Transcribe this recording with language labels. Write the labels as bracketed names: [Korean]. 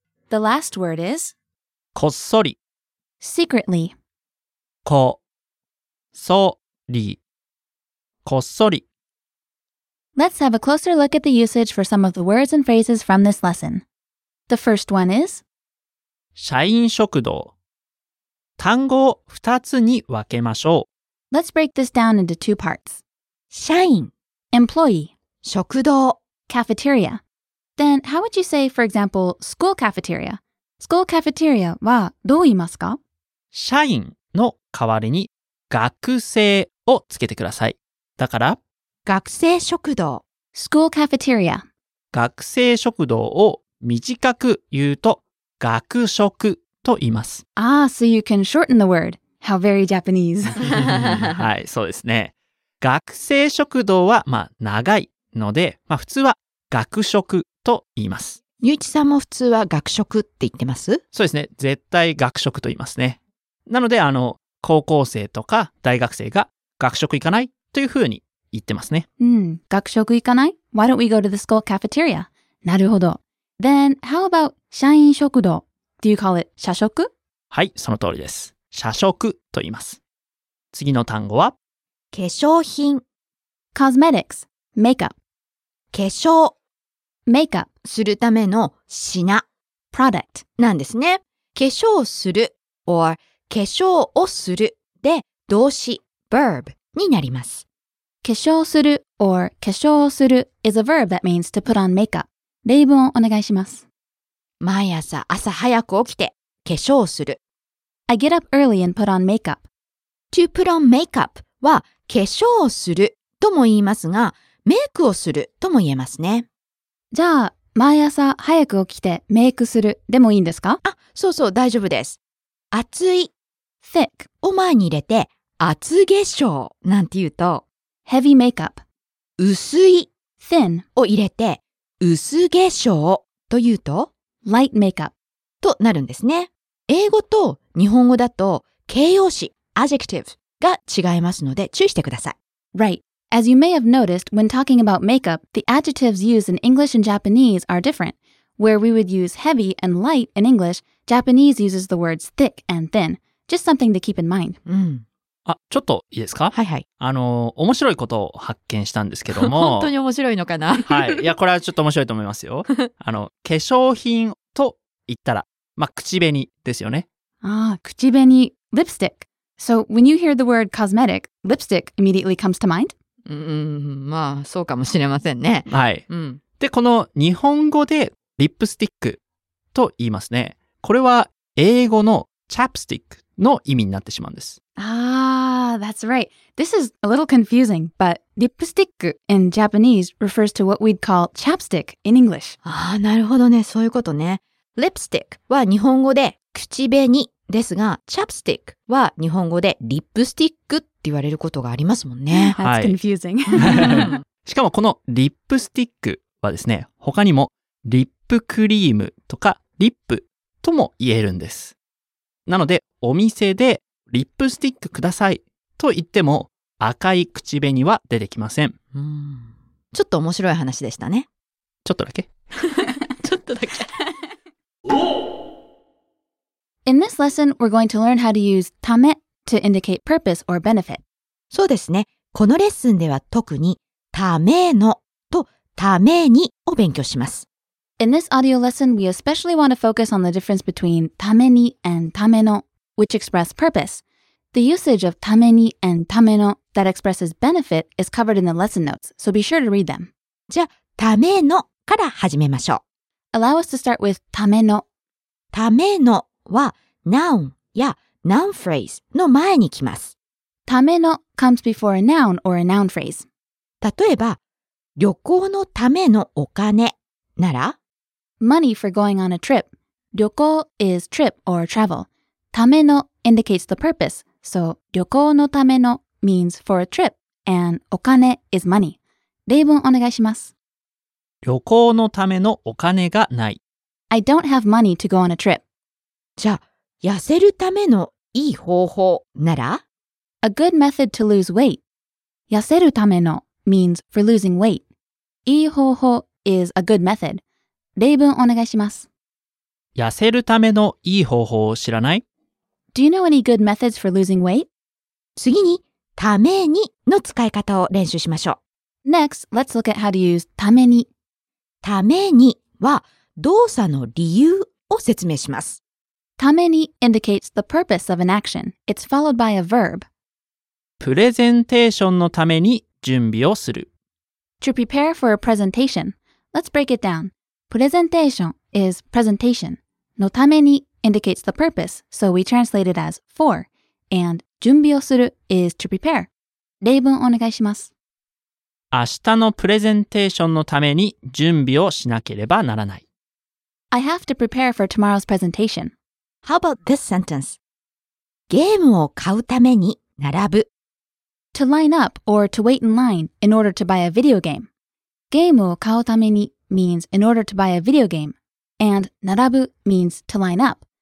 [English] The last word is [Japanese] こっそり。 [English] Secretly. [Japanese] こっそり。こっそり。 [English] Let's have a closer look at the usage for some of the words and phrases from this lesson. The first one is [Japanese] 社員食堂。単語を2つに分けましょう。 [English] Let's break this down into two parts. [Japanese] 社員 [English] Employee [Japanese] 食堂 [English] Cafeteria. Then how would you say, for example, school cafeteria? School cafeteria [Japanese] はどう言いますか？社員の代わりに学生をつけてください。だから学生食堂 [English] School cafeteria [Japanese] 学生食堂を短く言うと学食と言います。 [English] Ah, so you can shorten the word. How very Japanese. [Japanese] はい、そうですね。学生食堂はまあ長いので、まあ普通は学食と言います。ゆういちさんも普通は学食って言ってます？そうですね、絶対学食と言いますね。なので高校生とか大学生が学食行かないというふうに言ってますね。うん、学食行かない？ [English] Why don't we go to the school cafeteria? [Japanese] なるほど。 [English] Then how about 社員食堂？ Do you call it 社食？ [Japanese] はい、その通りです。社食と言います。次の単語は化粧品。 [English] Cosmetics, makeup. [Japanese] 化粧メイクアップするための品 [English] product [Japanese] なんですね。化粧をする or 化粧をするで動詞 verb になります。 [English] 化粧する or 化粧をする is a verb that means to put on makeup. [Japanese] 例文をお願いします。毎朝朝早く起きて化粧をする。 [English] I get up early and put on makeup. To put on makeup [Japanese] は化粧をするとも言いますが、メイクをするとも言えますね。じゃあ、毎朝早く起きてメイクするでもいいんですか？あ、そうそう、大丈夫です。厚い、 [English] thick [Japanese] を前に入れて、厚化粧なんて言うと、 [English] heavy makeup。 [Japanese] 薄い、 [English] thin [Japanese] を入れて、薄化粧というと、 [English] light makeup [Japanese] となるんですね。英語と日本語だと、形容詞、adjective が違いますので、注意してください。 [English] Right. As you may have noticed, when talking about makeup, the adjectives used in English and Japanese are different. Where we would use heavy and light in English, Japanese uses the words thick and thin. Just something to keep in mind. [Japanese] あ、ちょっといいですか？はいはい。あの、面白いことを発見したんですけども。本当に面白いのかな？はい。いや、これはちょっと面白いと思いますよ。あの、化粧品と言ったら、まあ、口紅ですよね。ああ、口紅、lipstick. [English] So, when you hear the word cosmetic, lipstick immediately comes to mind? [Japanese] まあそうかもしれませんね。はい、うん、でこの日本語でリップスティックと言いますね。これは英語のチャップスティックの意味になってしまうんです。 [English] ああ、that's right. This is a little confusing, but lipstick in Japanese refers to what we'd call chapstick in English. [Japanese] ああ、なるほどね。そういうことね。 lipstick は日本語で口紅ですが、chapstick は日本語でリップスティックって言われることがありますもんね。 [English] That's confusing. [Japanese] しかもこのリップスティックはですね、他にもリップクリームとかリップとも言えるんです。なのでお店でリップスティックくださいと言っても赤い口紅は出てきません。ちょっと面白い話でしたね。ちょっとだけ。ちょっとだけ。 [English] In this lesson, we're going to learn how to use ためto indicate purpose or benefit. [Japanese] そうですね。このレッスンでは特にためのとためにを勉強します。 [English] In this audio lesson, we especially want to focus on the difference between ために and ための, which express purpose. The usage of ために and ための that expresses benefit is covered in the lesson notes, so be sure to read them. [Japanese] じゃあ、ためのから始めましょう。 [English] Allow us to start with ための。 [Japanese] ためのは noun やNoun phrase の前に来ます。 [English] ための comes before a noun or a noun phrase. [Japanese] 例えば、旅行のためのお金なら、 [English] Money for going on a trip. 旅行 is trip or travel. ための indicates the purpose, so 旅行のための means for a trip, and お金 is money. [Japanese] 例文お願いします。旅行のためのお金がない。 [English] I don't have money to go on a trip. [Japanese] じゃあ、痩せるためのいい方法なら [English] A good method to lose weight. 痩せるための means for losing weight. いい方法 is a good method. [Japanese] 例文お願いします。痩せるためのいい方法を知らない? [English] Do you know any good methods for losing weight? [Japanese] 次に、ためにの使い方を練習しましょう。 [English] Next, let's look at how to use ために。 [Japanese] ためには動作の理由を説明します。 [English] ために indicates the purpose of an action. It's followed by a verb. [Japanese] プレゼンテーションのために準備をする。 [English] To prepare for a presentation. Let's break it down. プレゼンテーション is presentation. のために indicates the purpose, so we translate it as for. And 準備をする is to prepare. [Japanese] 例文お願いします。明日のプレゼンテーションのために準備をしなければならない。 [English] I have to prepare for tomorrow's presentation. How about this sentence? [Japanese] ゲームを買うために並ぶ。 [English] To line up or to wait in line in order to buy a video game. ゲームを買うために means in order to buy a video game. And 並ぶ means to line up.